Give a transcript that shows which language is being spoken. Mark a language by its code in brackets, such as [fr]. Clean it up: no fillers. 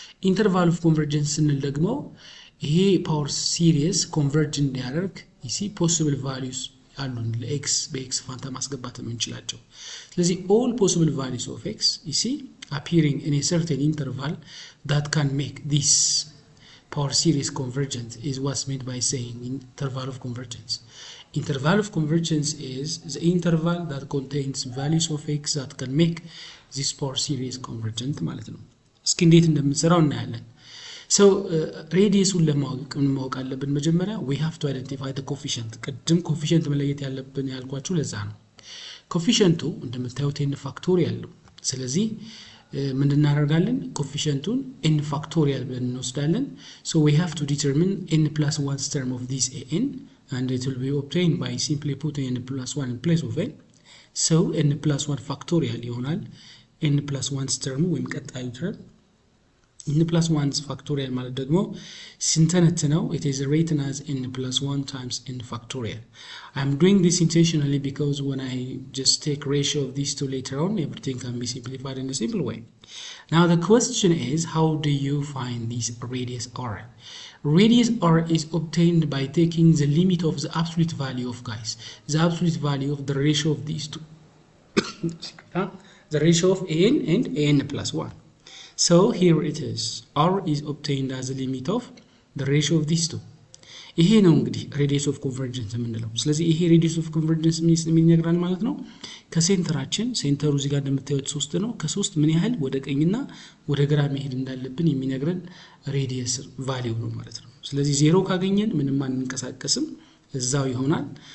[en] ኢንተርቫል ኦፍ ኮንቨርጀንስ [am] ስንል ደግሞ ይሄ [en] ፓወር ሲሪስ ኮንቨርጅ እንዲያደርግ ይሲ ፖሲብል ቫልዩስ አሉን ለኤክስ [am] በኤክስ ፋንታ ማስገባት የምንችላቸው ስለዚህ [en] ኦል ፖሲብል ቫልዩስ ኦፍ ኤክስ ይሲ አፒሪንግ ኢን ኤ ሰርቴን ኢንተርቫል ዳት ካን ሜክ ዲስ power series convergence is what's meant by saying interval of convergence. Interval of convergence is the interval that contains values of x that can make this power series convergent. [am] እስኪ እንዴት እንደምንሰራው እናያለን. [en] So radius [am] ለማወቅ አለብን መጀመሪያ [en] we have to identify the coefficient. [am] ቅድም coefficient መለየት ያለብን ያልኳችሁ ለዛ ነው. [en] coefficient 2 [am] እንደምታዩ 10 factorial ነው. ስለዚህ ምን እናደርጋለን ኮፊሺየንቱን n ፋክቶሪያል ብለን እንወስዳለን [en] so we have to determine n plus 1 term of this an and it will be obtained by simply putting n plus 1 in place of n so n plus 1 ፋክቶሪያል ይሆናል n plus 1 term [am] ወይም ቀጣዩ [en] term n plus 1 [am] ፋክቶሪያል ማለት ደግሞ ሲንተነት ነው [en] it is written as n plus 1 times n ፋክቶሪያል I'm doing this intentionally because when I just take ratio of these two later on everything can be simplified in a simple way now the question is how do you find this radius r radius r is obtained by taking the limit of the absolute value of guys the absolute value of the ratio of these two the ratio of an and an plus 1 So here it is. R is obtained as the limit of the ratio of these two. [am] ይሄ ነው እንግዲህ radius of convergence የምንለው. ስለዚህ ይሄ radius of convergence ምን ይነግራል ማለት ነው? ከሴንተራችን ሴንተሩ እዚህ ጋር እንደምታዩት 3 ነው. ከ3 ምን ያህል ወደ ቀኝና ወደ ግራ መሄድ እንዳለብን የሚነግረን radius value ነው ማለት ነው. ስለዚህ 0 ካገኘን ምንም ማንንቀሳቀስም እዛው ይሆናል.